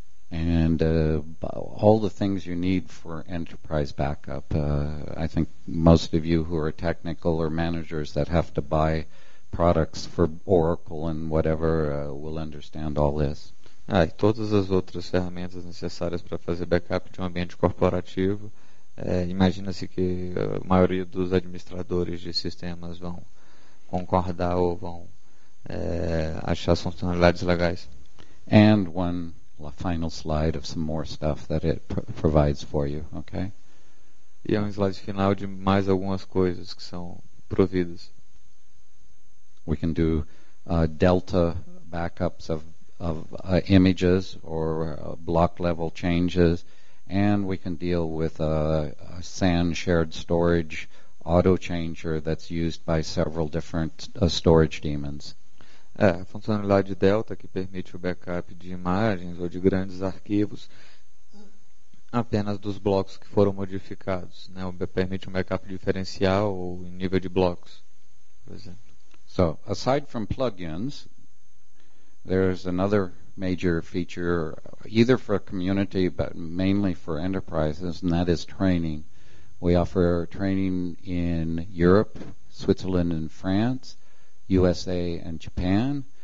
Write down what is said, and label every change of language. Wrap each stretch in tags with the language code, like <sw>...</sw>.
<en>And all the things you need for enterprise backup, I think most of you who are technical or managers that have to buy products for Oracle and whatever will understand all this.</en> <pt>E todas as outras ferramentas necessárias para fazer backup de um ambiente corporativo, imagina-se que a maioria dos administradores de sistemas vão concordar ou vão achar funcionalidades legais.</pt> <en>And one a final slide of some more stuff that it provides for you, okay?</en> <pt>E é um slide final de mais algumas coisas que são providas.</pt> <en>We can do delta backups of images or block level changes, and we can deal with a SAN shared storage auto changer that's used by several different storage daemons.</en> <pt>A funcionalidade Delta, que permite o backup de imagens ou de grandes arquivos apenas dos blocos que foram modificados, né? Permite um backup diferencial ou em nível de blocos, por exemplo.</pt> <en>So, aside from plugins, there's another major feature, either for a community but mainly for enterprises, and that is training. We offer training in Europe, Switzerland and France, USA and Japan,</en>